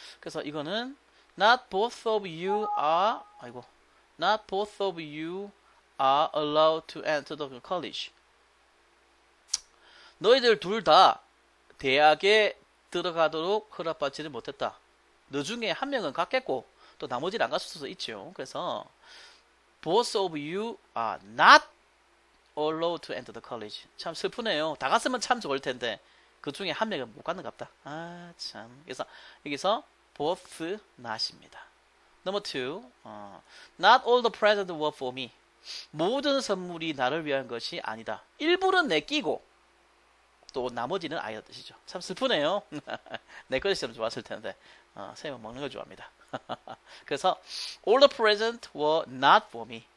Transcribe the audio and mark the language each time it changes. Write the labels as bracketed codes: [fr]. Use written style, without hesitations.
[ko] 그래서 이거는, [en] not both of you are, [ko] 아이고, [en] not both of you are allowed to enter the college. [ko] 너희들 둘다 대학에 들어가도록 허락받지는 못했다. 너 중에 한 명은 갔겠고, 또 나머지는 안 갔을 수도 있죠. 그래서, [en] both of you are not allowed to enter the college. [ko] 참 슬프네요. 다 갔으면 참 좋을 텐데, 그 중에 한 명은 못 갔나 갑다. 아, 참. 그래서, 여기서, both not입니다. [en] Number 2, not all the presents were for me. [ko] 모든 선물이 나를 위한 것이 아니다. 일부는 내 끼고, 또 나머지는 아이의 뜻이죠. 참 슬프네요. 내 것이었으면 좋았을 텐데, 선생님은 먹는 걸 좋아합니다. 그래서, [en] all the presents were not for me.